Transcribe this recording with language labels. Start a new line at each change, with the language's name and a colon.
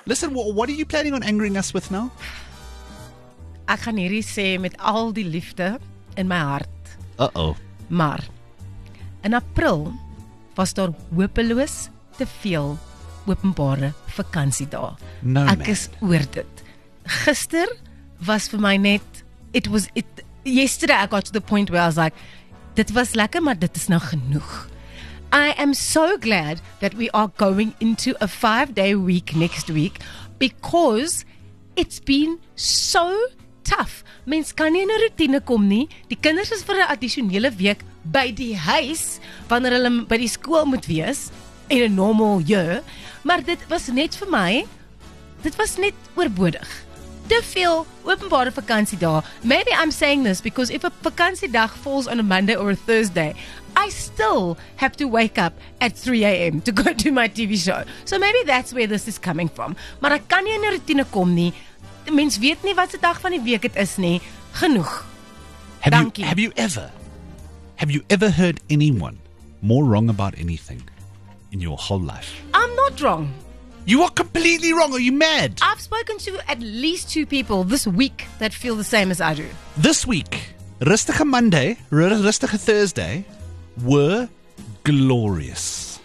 English: Listen, what are you planning on angering us with now?
Afrikaans: Ek gaan hierdie sê met al die liefde in my hart. Uh-oh. Maar, in April was daar hopeloos te veel openbare vakansiedae.
English: No,
Afrikaans: ek is oor dit. Gister was vir my net,
English: yesterday I got to the point where I was like,
Afrikaans: dit was lekker, maar dit is nou genoeg.
English: I am so glad that we are going into a 5-day week next week because it's been so tough.
Afrikaans: Mens kan nie in 'n routine kom nie. Die kinders is vir 'n addisionele week by die huis wanneer hulle by die skool moet wees in 'n
English: normal year.
Afrikaans: Maar dit was net vir my, dit was net oorbodig. Te veel openbare vakansiedag.
English: Maybe I'm saying this because if a vakansiedag falls on a Monday or a Thursday, I still have to wake up at 3 a.m. to go to my TV show. So maybe that's where this is coming from.
Afrikaans: Maar ek kan nie in 'n routine kom nie. Die mens weet nie wat se dag van die week dit is nie. Genoeg. Dankie.
English: Have you ever heard anyone more wrong about anything in your whole life? I'm not wrong. You are completely wrong. Are you mad? I've spoken to at least 2 people this week that feel the same as I do. This week, rustige Monday, rustige Thursday, were glorious.